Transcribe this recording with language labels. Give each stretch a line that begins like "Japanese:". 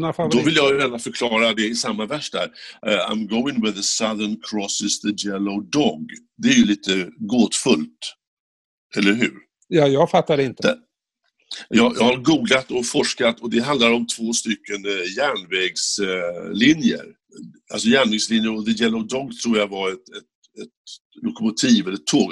Swedish: Då vill jag gärna förklara det i samma vers där.
English: I'm going where the southern crosses the yellow dog.
Swedish: Det är ju lite gåtfullt, eller hur? Ja, jag fattar inte. Jag har googlat och forskat och det handlar om två stycken järnvägslinjer. Alltså järnvägslinjer och the yellow dog tror jag var ett lokomotiv eller ett tåg.